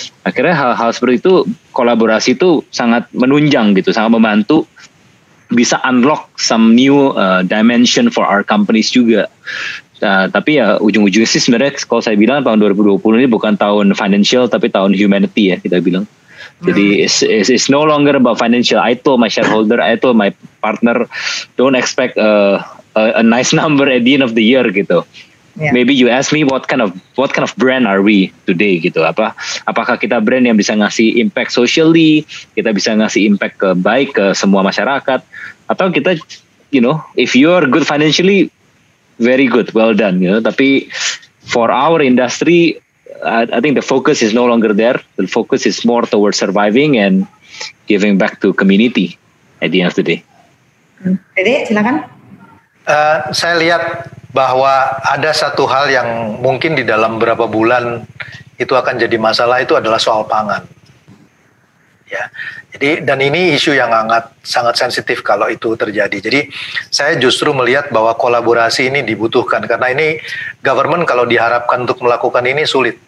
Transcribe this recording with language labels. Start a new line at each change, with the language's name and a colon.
Indonesian: Akhirnya hal-hal seperti itu, kolaborasi itu sangat menunjang gitu, sangat membantu. Bisa
English: unlock some new dimension for our companies
Indonesian: juga. Tapi ya ujung-ujungnya sih sebenarnya kalau saya bilang tahun 2020 ini bukan tahun financial tapi tahun humanity ya kita bilang. Jadi
English: it's no longer about financial. I told my shareholder, I told my partner, don't expect a nice number at the end of the year gitu. Yeah. Maybe you ask me what kind of brand are we today gitu.
Indonesian: Apakah kita brand yang bisa ngasih impact socially, kita bisa ngasih impact ke baik ke semua masyarakat, atau kita,
English: you know, if you are good financially, very good, well done, you know.
Indonesian: Tapi
English: for our industry, I think the focus is no longer there. The focus is more towards surviving and giving back to community at the end of the day.
Indonesian: Dede, silakan. Saya lihat bahwa ada satu hal yang mungkin di dalam beberapa bulan itu akan jadi masalah, itu adalah soal pangan. Ya. Jadi, dan ini isu yang sangat sensitif kalau itu terjadi. Jadi saya justru melihat bahwa kolaborasi ini dibutuhkan, karena ini government kalau diharapkan untuk melakukan ini sulit.